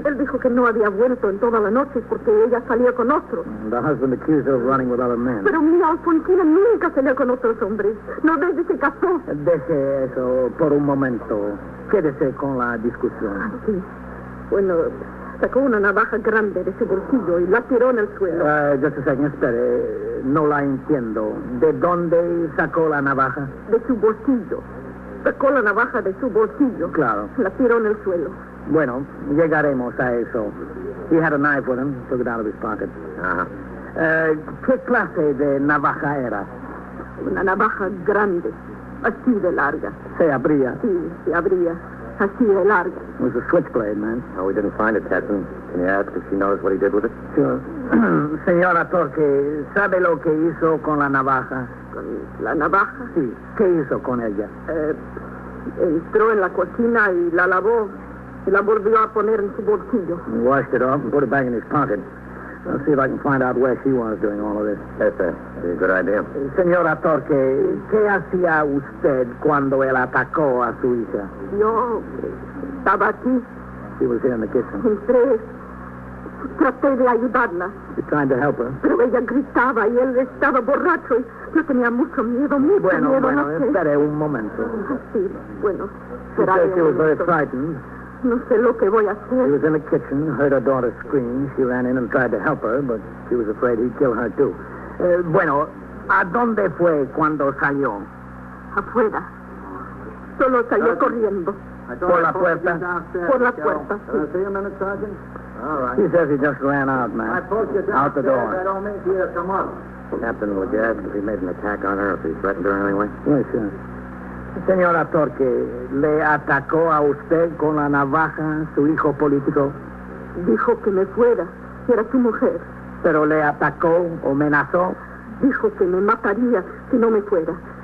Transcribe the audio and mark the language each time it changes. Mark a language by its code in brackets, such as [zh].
[es] Él dijo que no había vuelto en toda la noche porque ella salía con otro. [en] And the husband accused her of running with other men. [es] Pero mi Alfonsina nunca salía con otros hombres. No desde que casó. Deje eso por un momento. Quédese con la discusión. Ah, sí. Bueno... Sacó una navaja grande de su bolsillo y la tiró en el suelo. [en] Just a second, [es] espere. No la entiendo. ¿De dónde sacó la navaja? De su bolsillo. Sacó la navaja de su bolsillo. Claro. La tiró en el suelo. Bueno, llegaremos a eso. [en] He had a knife with him. Took it out of his pocket. [es] ¿Qué clase de navaja era? Una navaja grande. Así de larga. ¿Se abría? Sí, se abría. Así de larga. [en] It was a switchblade, man. Oh, we didn't find it, Captain. Can you ask if she knows what he did with it? Sure. [es] Señora Torque, ¿sabe lo que hizo con la navaja? ¿Con la navaja? Sí. ¿Qué hizo con ella? Entró en la cocina y la lavó. Y la volvió a poner en su bolsillo. [en] He washed it off and put it back in his pocket. I'll see if I can find out where she was doing all of this. Yes, sir. That'd be a good idea. [es] Señora Torque, ¿qué hacía usted cuando él atacó a su hija? Yo estaba aquí. [en] She was here in the kitchen. [es] Entré. Traté de ayudarla. [en] You tried to help her? [es] Pero ella gritaba y él estaba borracho. Y yo tenía mucho miedo, mucho bueno, bueno, espere un momento. Sí, bueno. [en] She said she was very frightened. [es] No sé lo que voy a hacer. [en] He was in the kitchen, heard her daughter scream. She ran in and tried to help her, but she was afraid he'd kill her, too. [es] Bueno, ¿a dónde fue cuando salió? Afuera. Solo salió corriendo. Por la puerta. Por la puerta. [en] Can I see a minute, Sergeant? All right. He says he just ran out, man. I pulled you out the door. I don't mean to come up. Captain, would you ask if he made an attack on her, if he threatened her anyway? Yes, sir. [es] Señora Torque, ¿le atacó a usted con la navaja su hijo político? Dijo que me fuera, que era su mujer. ¿Pero le atacó o amenazó? Dijo que me mataría si no me fuera.